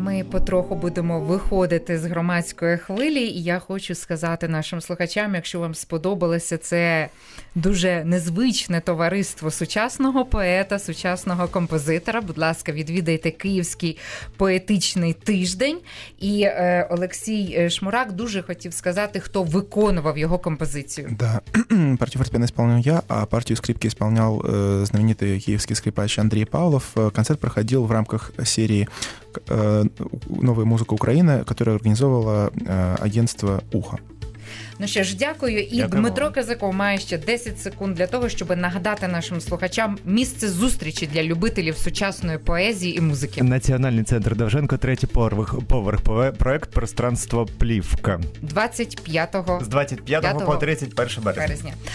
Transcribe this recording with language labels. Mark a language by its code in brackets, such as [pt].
[uk] Потроху будемо виходити з громадської хвилі, і я хочу сказати нашим слухачам, якщо вам сподобалося це дуже незвичне товариство сучасного поета, сучасного композитора, будь ласка, відвідайте Київський поетичний тиждень. І Олексій Шмурак дуже хотів сказати, хто виконував його композицію. Да. Партію фортепіано виконував я, а партію скрипки виконував знаменитий київський скрипач Андрій Павлов. [ru] Концерт проходив в рамках серії «Новая музыка Украины», которую организовывало агентство «Ухо». [uk] Ну що ж, дякую. І дякую. Дмитро Казаков має ще 10 секунд для того, щоб нагадати нашим слухачам місце зустрічі для любителів сучасної поезії і музики. Національний центр Довженко, 3-й поверх, проект «Пространство Плівка». 25-го. З 25-го по 31 березня.